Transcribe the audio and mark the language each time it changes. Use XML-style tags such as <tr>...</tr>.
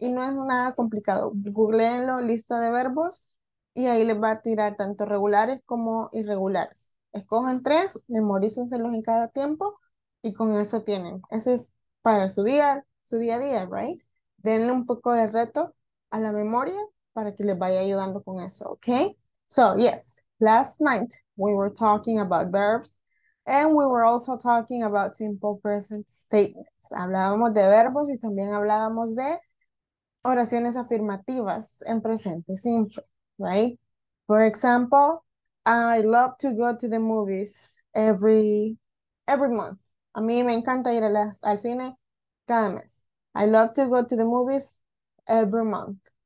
<es>Y no es nada complicado. Googleenlo, lista de verbos, y ahí les va a tirar tanto regulares como irregulares. Escojan tres, memorícenselos en cada tiempo, y con eso tienen. Ese es para su día a día, right? Denle un poco de reto a la memoria para que les vaya ayudando con eso, okay?</es> <en>So, yes, last night we were talking about verbs and we were also talking about simple present statements.</en> <es>Hablábamos de verbos y también hablábamos de oraciones afirmativas en presente simple, right?</es> <en>For example, I love to go to the movies every month.</en> <es>A mí me encanta ir al cine cada mes.</es> <en>I love to go to the movies every month.</en>